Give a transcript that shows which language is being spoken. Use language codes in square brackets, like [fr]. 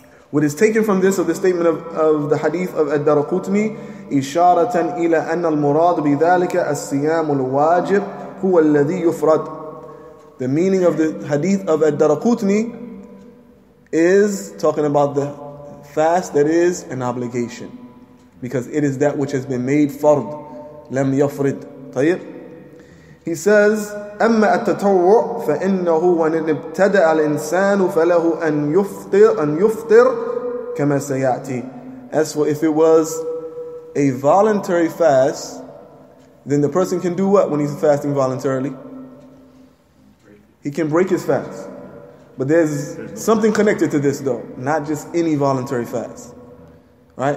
[en] What is taken from this, of the statement of the hadith of Ad-Darqutni, [ar] إشارة إلى أن المراد بذلك السيام الواجب هو الذي يفرد. [en] The meaning of the hadith of Ad-Darqutni is talking about the fast that is an obligation, because it is that which has been made fard. [ar] لم يفرد. طيب. [en] He says, [ar] أما التطوع فإنه وإن ابتدأ الإنسان فله أن يفطر أن يفطر كما سيأتي. [en] As for if it was a voluntary fast, then the person can do what when he's fasting voluntarily? He can break his fast. But there's something connected to this though, not just any voluntary fast. Right?